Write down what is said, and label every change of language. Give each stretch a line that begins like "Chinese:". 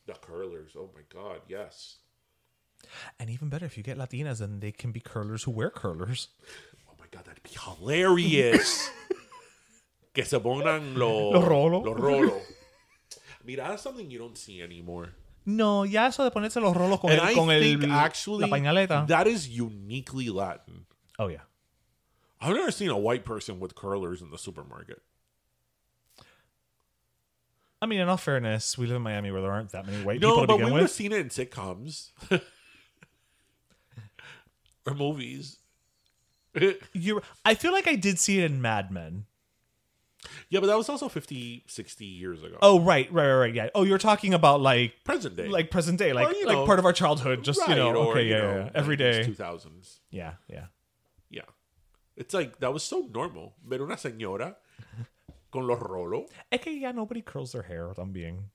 English: The curlers. Oh my God, yes. And even better, if you get Latinas, then they can be curlers who wear curlers. Oh my God, that'd be hilarious.
Spanish: Que se pongan los rolos. Mira,
English: that's something you don't see anymore.
Spanish: No, ya eso de ponerse los rolos con la pañaleta.
English: That is uniquely Latin. Oh, yeah. I've never seen a white person with curlers in the supermarket. I mean, in all fairness, we live in Miami where there aren't that many white people to begin with. No, but we've seen it in sitcoms. Or movies. I feel like I did see it in Mad Men. Yeah, but that was also 50, 60 years ago. Oh, right. Yeah. Oh, you're talking about like... Present day. Like, well, like part of our childhood. Just, right, you know, or, okay, you yeah, know, yeah. Every day. 2000s. Yeah, yeah. Yeah. It's like, that was so normal.
Spanish: Ver una señora con los rolos. Es que ya
English: nobody curls their hair,
Spanish: también.